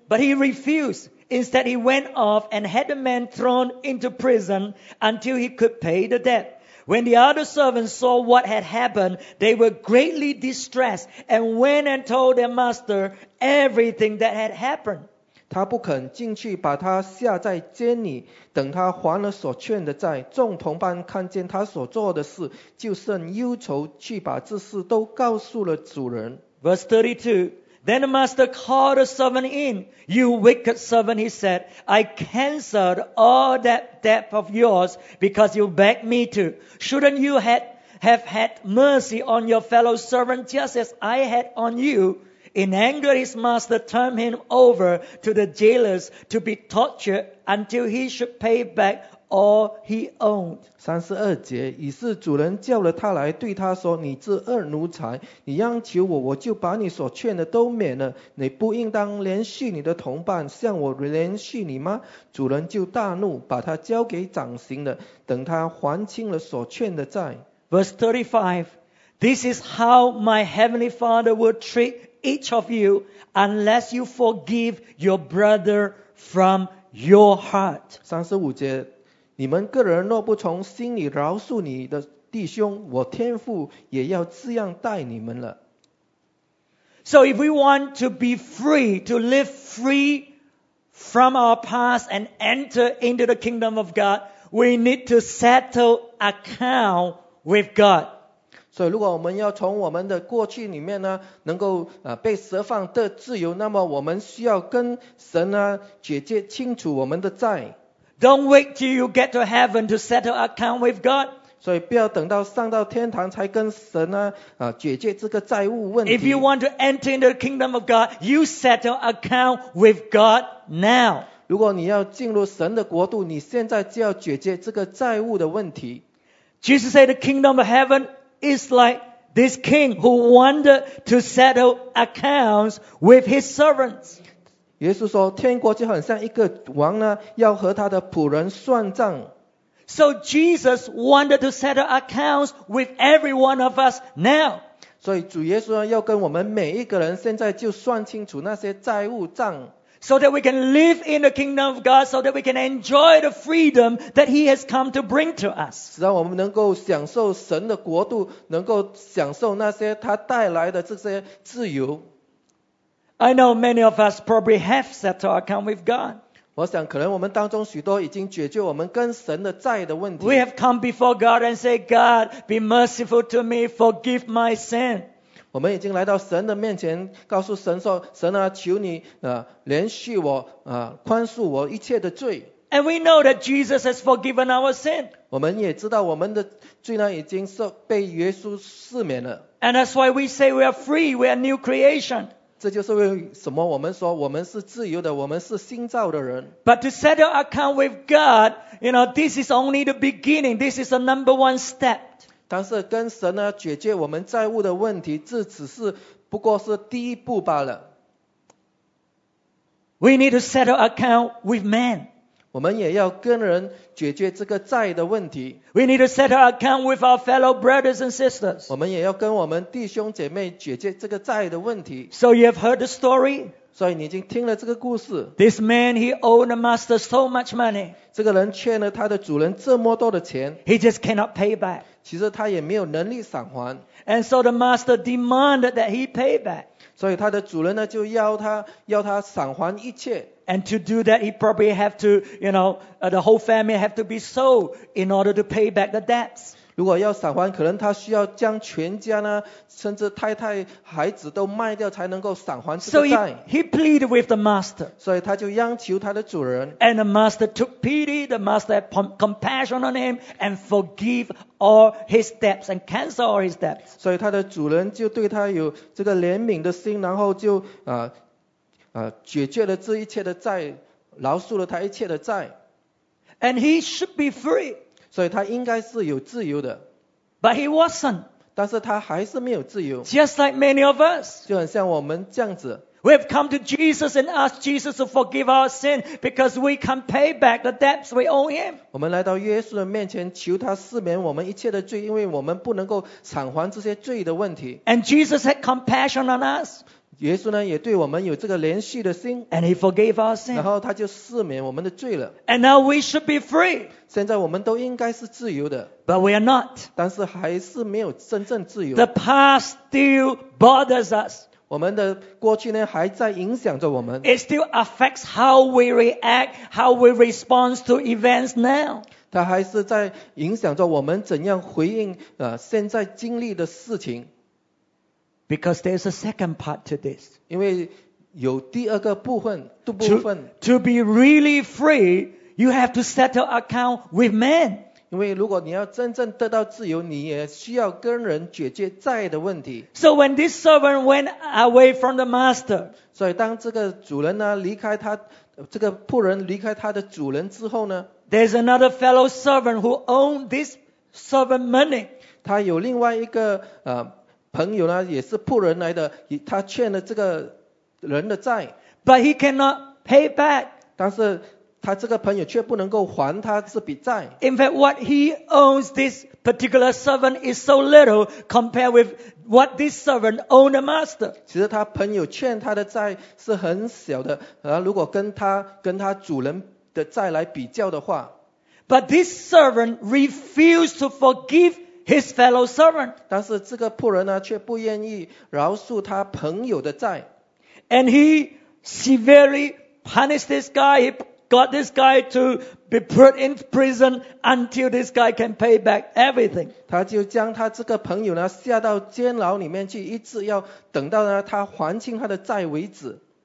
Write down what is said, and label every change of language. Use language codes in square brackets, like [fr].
[en] But he refused. Instead, he went off and had the man thrown into prison until he could pay the debt. When the other servants saw what had happened, they were greatly distressed and went and told their master everything that had happened. [zh] 他不肯进去，把他下在监里，等他还了所欠的债。众同伴看见他所做的事，就甚忧愁，去把这事都告诉了主人。 [en] Verse 32. Then the master called the servant in. "You wicked servant," he said, "I canceled all that debt of yours because you begged me to. Shouldn't you have had mercy on your fellow servant just as I had on you?" In anger, his master turned him over to the jailers to be tortured until he should pay back all he owned. [zh] 32节，于是主人叫了他来，对他说：“你这恶奴才，你央求我，我就把你所欠的都免了。你不应当连续你的同伴向我连续你吗？” 主人就大怒，把他交给掌刑的，等他还清了所欠的债。 [en] Verse 35. This is how my heavenly Father will treat each of you unless you forgive your brother from your heart. [zh] 35节。你们个人若不从心里饶恕你的弟兄，我天父也要这样待你们了。 [en] So if we want to be free, to live free from our past and enter into the kingdom of God, we need to settle account with God. [zh] 所以如果我们要从我们的过去里面呢能够被释放的自由，那么我们需要跟神呢解决清楚我们的债。 [en] Don't wait till you get to heaven to settle account with God. [zh] 所以不要等到上到天堂才跟神呢解决这个债务问题。 [en] If you want to enter the kingdom of God, you settle account with God now. [zh] 如果你要进入神的国度，你现在就要解决这个债务的问题。 [en] Jesus said the kingdom of heaven is like this king who wanted to settle accounts with his servants. [zh] 耶稣说天国就很像一个王呢要和他的仆人算账。 [en] So Jesus wanted to settle accounts with every one of us now. [zh] 所以主耶稣呢要跟我们每一个人现在就算清楚那些债务账。 [en] So that we can live in the kingdom of God, so that we can enjoy the freedom that He has come to bring to us. [zh] 让我们能够享受神的国度，能够享受那些他带来的这些自由。 [en] I know many of us probably have settled our account with God. [zh] 我想可能我们当中许多已经解决我们跟神的债的问题。 [en] We have come before God and say, God, be merciful to me, forgive my sin. [zh] 我们已经来到神的面前，告诉神说：“神啊，求你怜恤我，宽恕我一切的罪。” [en] And we know that Jesus has forgiven our sin. [zh] 我们也知道我们的罪呢已经被耶稣赦免了。 [en] And that's why we say we are free, we are new creation. [zh] 这就是为什么我们说我们是自由的，我们是新造的人。 [en] But to settle account with God, you know, this is only the beginning. This is the number one step. [zh] 但是跟神呢解决我们债务的问题，这只是不过是第一步罢了。 [en] We need to settle account with man. [zh] 我们也要跟人解决这个债的问题。 [en] We need to settle account with our fellow brothers and sisters. [zh] 我们也要跟我们弟兄姐妹解决这个债的问题。 [en] So you have heard the story. [zh] 所以你已经听了这个故事。 [en] This man, he owed the master so much money. [zh] 这个人欠了他的主人这么多的钱。 [en] He just cannot pay back. [zh] 其实他也没有能力偿还。 [en] And so the master demanded that he pay back. [zh] 所以他的主人呢就要他偿还一切。 [en] And to do that, he probably have to, you know, the whole family have to be sold in order to pay back the debts. [zh] 如果要偿还，可能他需要将全家呢，甚至太太、孩子都卖掉才能够偿还这个债。 [en] So he pleaded with the master. [zh] 所以他就央求他的主人。 [en] And the master took pity. The master had compassion on him and forgive. All his debts and cancel all his debts. [zh] 所以他的主人就对他有这个怜悯的心，然后就解决了这一切的债，饶恕了他一切的债。 [en] And he should be free. [zh] 所以他应该是有自由的。 [en] But he wasn't. [zh] 但是他还是没有自由。 [en] Just like many of us. [zh] 就很像我们这样子。 [en] We have come to Jesus and asked Jesus to forgive our sin because we can pay back the debts we owe him. [zh] 我们来到耶稣的面前求他赦免我们一切的罪，因为我们不能够偿还这些罪的问题。 [en] And Jesus had compassion on us. [zh] 耶稣呢也对我们有这个怜恤的心。 [en] And he forgave our sin. [zh] 然后他就赦免我们的罪了。 [en] And now we should be free. [zh] 现在我们都应该是自由的。 [en] But we are not. [zh] 但是还是没有真正自由。 [en] The past still bothers us. [zh] 我们的过去呢还在影响着我们。 [en] It still affects how we react, how we respond to events now. [zh] 它还是在影响着我们怎样回应现在经历的事情。 [en] Because there's a second part to this. [zh] 因为有第二个部分，第二部分。 [en] To be really free, you have to settle account with men. [zh] 因为如果你要真正得到自由，你也需要跟人解决债的问题。 [en] So when this servant went away from the master, [zh] 所以当这个主人呢离开他，这个仆人离开他的主人之后呢 [en] ，There's another fellow servant who owned this servant money. [zh] 他有另外一个朋友呢，也是仆人来的，他欠了这个人的债。 [en] But he cannot pay back. [zh] 但是他这个朋友却不能够还他这笔债。 [en] In fact, what he owes this particular servant is so little compared with what this servant owed the master. [zh] 其实他朋友欠他的债是很小的，如果跟他主人的债来比较的话。 [en] But this servant refused to forgive his fellow servant. [zh] 但是这个仆人呢，却不愿意饶恕他朋友的债。 [en] And he severely punished this guy. He got this guy to be put in prison until this guy can pay back everything. [zh] 他就将他这个朋友呢下到监牢里面去，一直要等到呢他还清他的债为止。